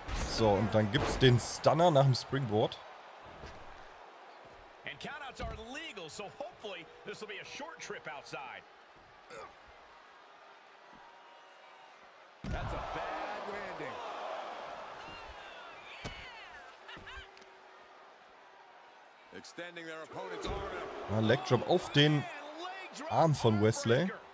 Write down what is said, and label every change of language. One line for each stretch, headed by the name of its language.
German: So, und dann gibt's den Stunner nach dem Springboard.
English: shots are legal, so hopefully this will be a short trip outside. That's a bad landing. Extending their opponent's arm.
German: Ah, leg drop auf den Arm von Wesley.